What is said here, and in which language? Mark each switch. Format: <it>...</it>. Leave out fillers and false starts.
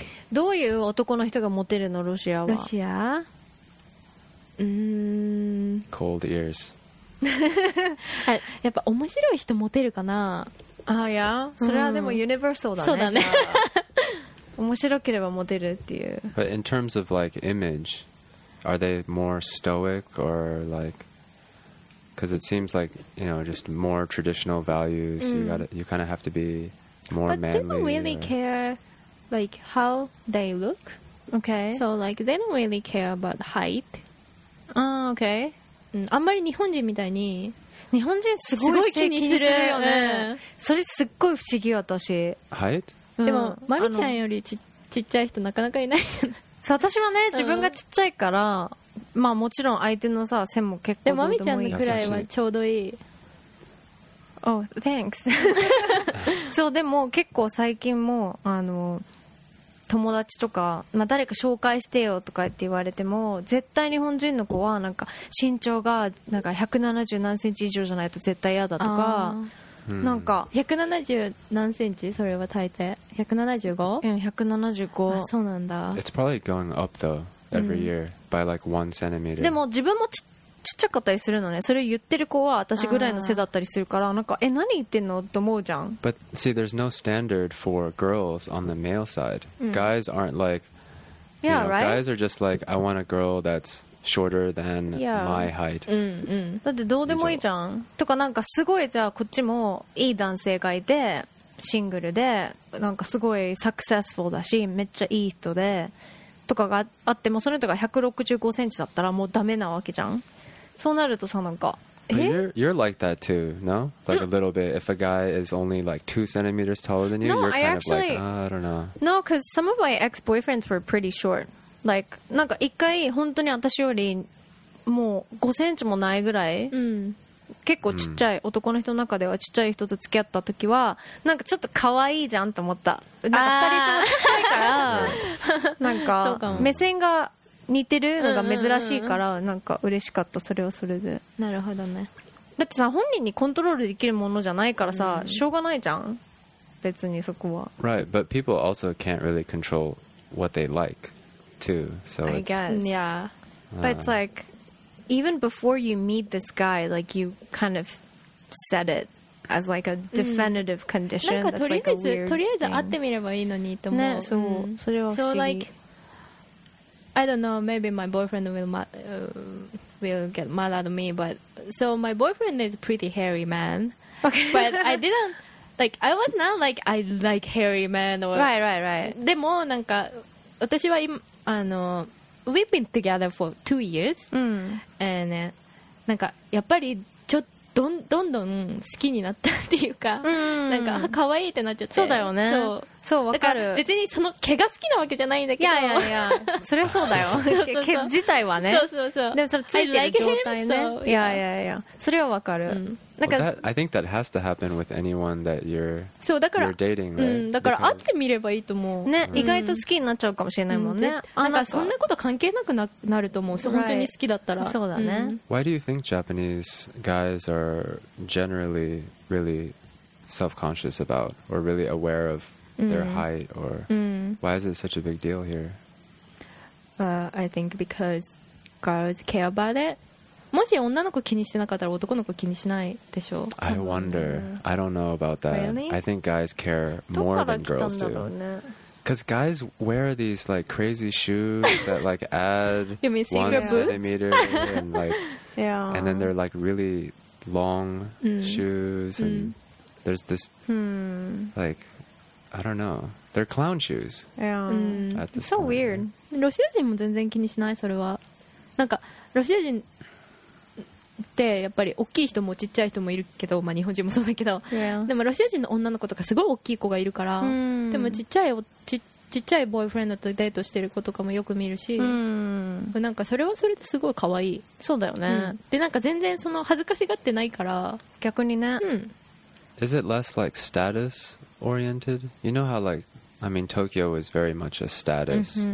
<ja>どういう男の人がモテるの、ロシアは。ロシア？</ja> <en>Cold ears.</en> <ja>やっぱ面白い人モテるかな。ああ、いや。それはでも universal だね。そうだね。面白ければモテるっていう。</ja> <en>But in terms of like image, are they more stoic or like Because it seems like, you know, just more traditional values. Mm. You kind of have to be more but manly. But they don't really care, like, how they look. Okay. So, like, they don't really care about height. Ah, okay.</en> <ja>あんまり日本人みたいに。日本人すごい気にするよね。それすっごい不思議よ、私。</ja> <en>Height?</en> <ja>でも、まみちゃんよりちっちゃい人なかなかいないじゃない。そう、私はね、自分がちっちゃいから、まあもちろん相手のさ線も結構でもマミちゃんのくらいはちょうどいい。</ja> <en>Oh, thanks.</en> <ja>そうでも結構最近もあの友達とか、まあ、誰か紹介してよとかって言われても絶対日本人の子はなんか身長がなんか170何センチ以上じゃないと絶対嫌だとか、なんか 170何センチそれは大抵175? うん、175。そうなんだ。</ja> <en>It's probably going up though every year、うん、by like one centimeter.</en> <ja>でも自分もちっちゃかったりするのね。それ言ってる子は私ぐらいの背だったりするから、なんか、え、何言ってんのって思うじゃん。</ja> <en>But see, there's no standard for girls on the male side.、うん、guys aren't like, yeah, you know,、 right? guys are just like, I want a girl that's shorter than、yeah. my height.</en> <ja>うん、うん、だってどうでもいいじゃん。とかなんかすごい、じゃあこっちもいい男性がいて、シングルで、なんかすごいサクセスフルだし、めっちゃいい人で、とかがあってもその人が165センチだったらもうダメなわけじゃん。そうなるとさなんか、</ja> <en>You're like that too, no? Like a little bit. If a guy is only like 2 centimeters taller than you, no, you're kind actually, of like,、I don't know. No, because some of my ex-boyfriends were pretty short.</en> <ja>Like, なんか一回本当に私よりもう5センチもないぐらい、うん、結構ちっちゃい、うん、男の人の中ではちっちゃい人と付き合った時はなんかちょっと可愛いじゃんと思った。なんか二人ともちっちゃいから、なんか目線が似てるのが珍しいからなんか嬉しかった。それはそれで。なるほどね。だってさ本人にコントロールできるものじゃないからさ、うん、しょうがないじゃん別にそこは。</ja> <en>Right, but people also can't really control what they like too, so I guess yeah, but it's like even before you meet this guy, like you kind of set it as like a definitive、うん、condition.</en> <ja>なんかとりあえず、とりあえず会ってみればいいのにと思う。ね、そう、うん、それは不思議。</ja> <en>So like, I don't know, maybe my boyfriend will get mad at me, but so my boyfriend is a pretty hairy man. Okay. But I didn't, like, I was not like, I like hairy man or... Right, right, right.</en> <ja>でもなんか、私は今、あの、</ja> <en>We've been together for 2 years、</en> <ja>うん、 and なんかやっぱりちょっとどんどん好きになったっていうか、うん、なんか可愛いってなっちゃって。そうだよね。そう、そう、分かる。だから別にその毛が好きなわけじゃないんだけど。いやいやいや、それはそうだよ。そうそうそう、毛自体はね。そうそうそう。でもそれついてる状態ね。いやいやいや、それは分かる。うん、</ja> <en>なんか、well, that, I think that has to happen with anyone that you're</en> <ja>そうだから</ja> <en>you're dating, right?</en> <ja>うん、だから会ってみればいいと思うね、うん、意外と好きになっちゃうかもしれないもんね、うん、なんかそんなこと関係なくなると思う、right. 本当に好きだったらそうだね、うん、</ja> <en>Why do you think Japanese guys are generally really self-conscious about or really aware of their height or、</en> <ja>うん、</ja> <en>why is it such a big deal here? I think because girls care about it</en> <ja>もし女の子気にしてなかったら男の子気にしないでしょう。</ja> <en>I wonder. I don't know about that. Really? I think guys care more than girls do. Because guys wear these like crazy shoes that like add one centimeter and like, yeah. And then they're like really long shoes and there's this like, I don't know. They're clown shoes. Yeah. So weird.</en> <ja>ロシア人も全然気にしないそれは。なんかロシア人でやっぱり大きい人もちっちゃい人もいるけど、まあ、日本人もそうだけど、</ja> <en>yeah.</en> <ja>でもロシア人の女の子とかすごい大きい子がいるから、 mm. でもちっちゃいボーイフレンドとデートしてる子とかもよく見るし、 mm. なんかそれはそれですごい可愛い。そうだよね、うん、でなんか全然その恥ずかしがってないから逆にね、うん、</ja> <en>Is it less like status oriented? You know how like I mean Tokyo is very much a status、mm-hmm.</en>